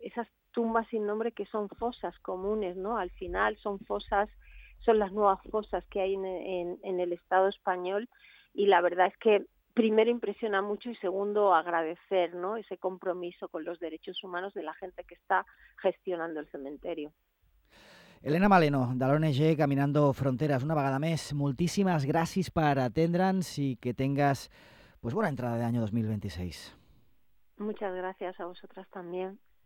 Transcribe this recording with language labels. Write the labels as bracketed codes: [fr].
[es] Esas tumbas sin nombre que son fosas comunes, ¿no? Al final son fosas, son las nuevas fosas que hay en el Estado español, y la verdad es que primero impresiona mucho y segundo agradecer, ¿no?, ese compromiso con los derechos humanos de la gente que está gestionando el cementerio. [ca] Elena Maleno, de l'ONG Caminando Fronteras, una vegada més, moltíssimes gràcies per atendre'ns i [es] que tengas, pues, [ca] bona entrada de any 2026. [es] Muchas gracias a vosotras también.